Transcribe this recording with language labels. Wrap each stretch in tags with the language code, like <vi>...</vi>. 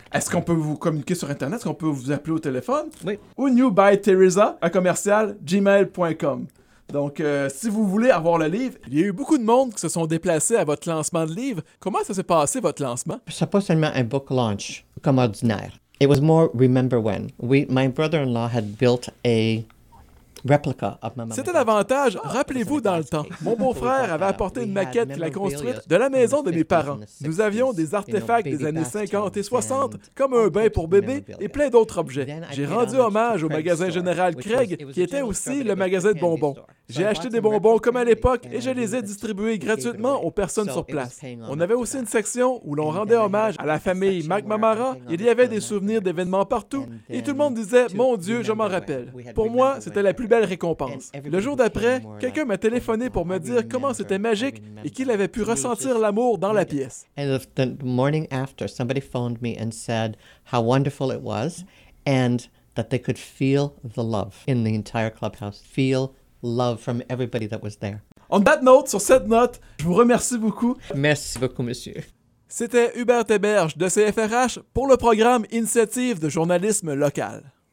<fr>Est-ce qu'on peut vous communiquer sur Internet? Est-ce qu'on peut vous appeler au téléphone? Oui. Ou newbyteresa@gmail.com. Donc, si vous voulez avoir le livre, il y a eu beaucoup de monde qui se sont déplacés à votre lancement de livre. Comment ça s'est passé, votre lancement? C'est pas seulement un book launch comme ordinaire.</fr> <en>It was more remember when. My brother-in-law had built a... replica of my</en> <fr>c'était davantage, rappelez-vous, dans le temps. Mon beau-frère avait apporté une maquette qu'il a construite de la maison de mes parents. Nous avions des artefacts des années 50 et 60, comme un bain pour bébé et plein d'autres objets. J'ai rendu hommage au magasin général Craig, qui était aussi le magasin de bonbons. J'ai acheté des bonbons comme à l'époque et je les ai distribués gratuitement aux personnes sur place. On avait aussi une section où l'on rendait hommage à la famille McNamara. Il y avait des souvenirs d'événements partout et tout le monde disait « Mon Dieu, je m'en rappelle ». Pour moi, c'était la plus belle récompense. Le jour d'après, quelqu'un m'a téléphoné pour me dire comment c'était magique et qu'il avait pu ressentir l'amour dans la pièce.</fr> <en>And the morning after, somebody phoned me and said how wonderful it was and that they could feel the love in the entire clubhouse. Feel love from everybody that was there. On that note,</en> <fr>sur cette note, je vous remercie beaucoup. Merci beaucoup, monsieur. C'était Hubert Héberge de CFRH pour le programme Initiative de journalisme local.</fr>